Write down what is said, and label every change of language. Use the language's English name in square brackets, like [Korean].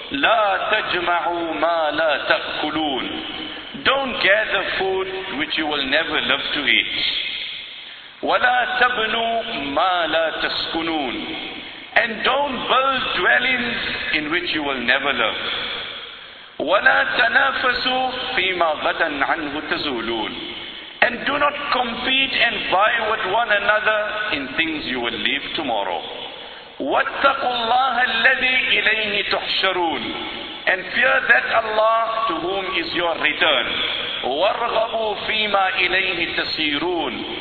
[Arabic] لا تجمعوا ما لا تأكلون. [English] Don't gather food which you will never love to eat. [Arabic] ولا تبنوا ما لا تسكنون. [English] And don't build dwellings in which you will never love. [Arabic] ولا تنافسوا فيما غدا عنه تزولون. [English] And do not compete and vie with one another in things you will leave tomorrow. [Arabic] وَاتَّقُوا اللَّهَ الَّذِي إِلَيْهِ تُحْشَرُونَ. [English] And fear that Allah to whom is your return. [Arabic] وَارْغَبُوا فِيمَا إِلَيْهِ تَسِيرُونَ.